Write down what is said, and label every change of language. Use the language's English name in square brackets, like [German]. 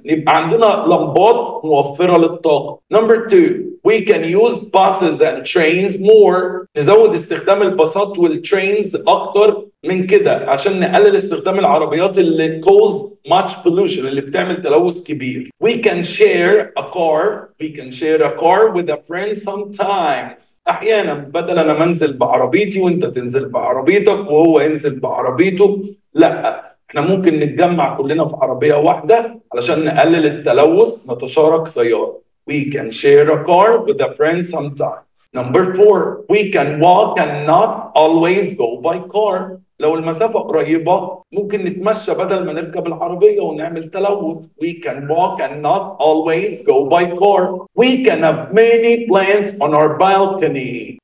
[Arabic] نبقى عندنا لمبات موفره للطاقه. [English] Number two, We can use buses and trains more. [Arabic] نزود استخدام الباصات والترينز اكتر من كده عشان نقلل استخدام العربيات اللي [English] cause much pollution, [Arabic] اللي بتعمل تلوث كبير. [English] We can share a car. We can share a car with a friend sometimes. [Arabic] احيانا بدل انا منزل بعربيتي وانت تنزل بعربيتك وهو ينزل بعربيته, لا, احنا ممكن نتجمع كلنا في عربية واحدة علشان نقلل التلوث, نتشارك سيارة. [English] We can share a car with a friend sometimes. Number four, we can walk and not always go by car. [Arabic] لو المسافة قريبة ممكن نتمشى بدل ما نركب العربية ونعمل تلوث. [English] We can walk and not always go by car. We can have many plants on our balcony.